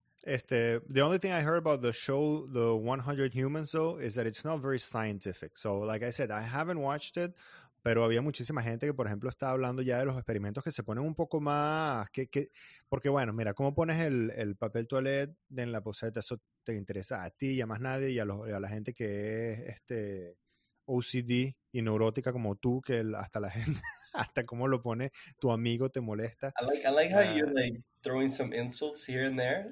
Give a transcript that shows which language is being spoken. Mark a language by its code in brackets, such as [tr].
[en] The only thing I heard about the show, The 100 Humans, though, is that it's not very scientific. So, like I said, I haven't watched it, [es] pero había muchísima gente que, por ejemplo, está hablando ya de los experimentos que se ponen un poco más. Porque, bueno, mira, ¿cómo pones el papel toilet en la poceta? Eso te interesa a ti y a más nadie y a la gente que es OCD y neurótica como tú, que hasta la gente, hasta cómo lo pone tu amigo te molesta. [en] I like how you're like throwing some insults here and there.